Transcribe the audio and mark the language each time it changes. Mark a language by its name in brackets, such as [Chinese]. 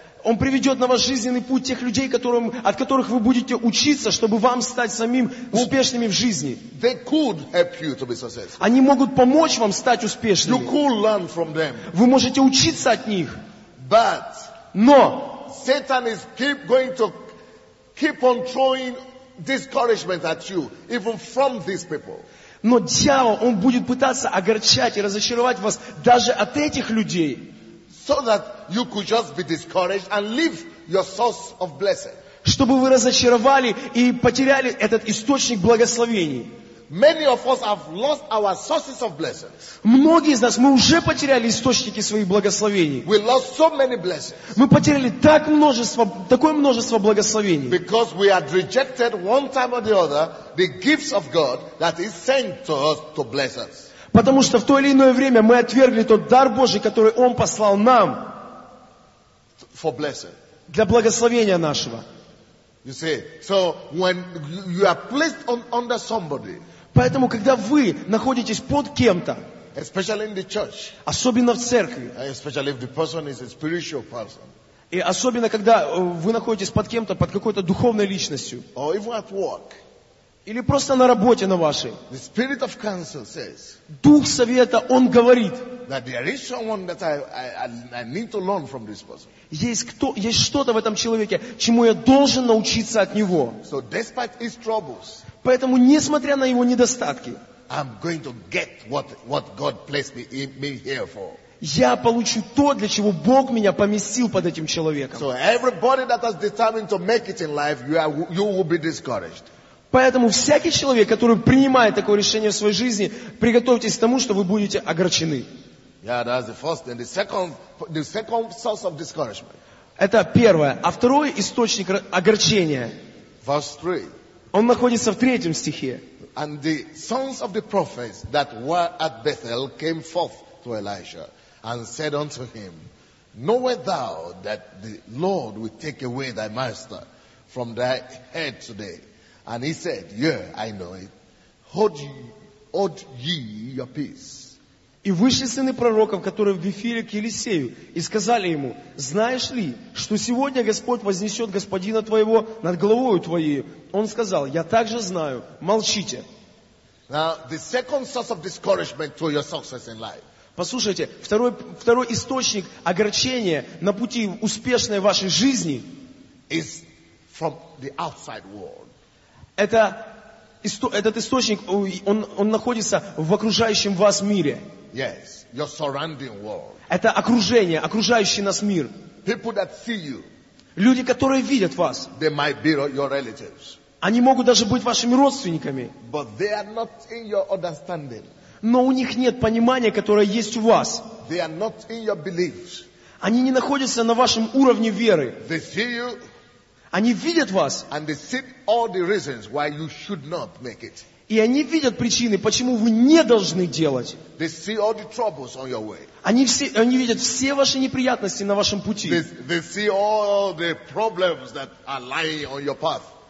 [Russian] Он приведет на ваш жизненный путь тех людей, от которых вы будете учиться, чтобы вам стать самим успешными в жизни. [English] They could help you to be successful. [Russian] Они могут помочь вам стать успешными. [English] You could learn from them. [Russian] Вы можете учиться от них. [English] But [Russian] Но [English] Satan is going to keep on throwing discouragement at you, even from these people. [Russian] Но дьявол, он будет пытаться огорчать и разочаровать вас даже от этих людей. [English] So that you could just be discouraged and leave your source of blessing. [Russian] Чтобы вы разочаровали и потеряли этот источник благословений. [English] Many of us have lost our sources of blessings. [Russian] Многие из нас, мы уже потеряли источники своих благословений. [English] We lost so many blessings. [Russian] Мы потеряли такое множество благословений. [English] Because we had rejected one time or the other the gifts of God that is sent to us to bless us. [Russian] Потому что в то или иное время мы отвергли тот дар Божий, который Он послал нам. [English] For blessing. [Russian] Для благословения нашего. [English] You see, so when you are placed under somebody. [Russian] Поэтому, когда вы находитесь под кем-то, [English] especially in the church, [Russian] особенно в церкви, [English] especially if the person is a spiritual person, [Russian] и особенно, когда вы находитесь под кем-то, под какой-то духовной личностью, [English] or even at work, [Russian] или просто на работе на вашей, [English] the spirit of counsel says, [Russian] Дух Совета, он говорит, [English] that there is someone that I need to learn from this person. [Russian] Есть что-то в этом человеке, чему я должен научиться от него. [English] So despite his troubles, [Russian] поэтому, несмотря на его недостатки, [English] I'm going to get what God placed me here for. [Russian] Я получу то, для чего Бог меня поместил под этим человеком. [English] So everybody that has determined to make it in life, you will be discouraged. [Russian] Поэтому всякий человек, который принимает такое решение в своей жизни, приготовьтесь к тому, что вы будете огорчены. [English] Yeah, that's the first thing. The second source of discouragement. [Russian] Это первое. А второй источник огорчения. [English] Verse 3. [Russian] Он находится в третьем стихе. [English] And the sons of the prophets that were at Bethel came forth to Elijah and said unto him, Knowest thou that the Lord will take away thy master from thy head today? And he said, Yea, I know it. Hold ye your peace. [Russian] И вышли сыны пророков, которые в Вифире к Елисею, и сказали ему: «Знаешь ли, что сегодня Господь вознесет господина твоего над головою твоей?» Он сказал: «Я также знаю, молчите». [English] Now, the second source of discouragement to your success in life. [Russian] Послушайте, второй источник огорчения на пути успешной вашей жизни [English] is from the outside world. [Russian] Этот источник, он находится в окружающем вас мире. [English] Yes, your surrounding world. [Russian] Это окружение, окружающий нас мир. [English] People that see you, [Russian] люди, которые видят вас, [English] they might be your relatives. [Russian] Они могут даже быть вашими родственниками. [English] But they are not in your understanding. [Russian] Но у них нет понимания, которое есть у вас. [English] They are not in your beliefs. [Russian] Они не находятся на вашем уровне веры. [English] They see you. [Russian] Они видят вас. [English] And they see all the reasons why you should not make it. [Russian] И они видят причины, почему вы не должны делать. [English] They see all the troubles on your way. [Russian] Они видят все ваши неприятности на вашем пути. [English] They see all the problems that are lying on your path.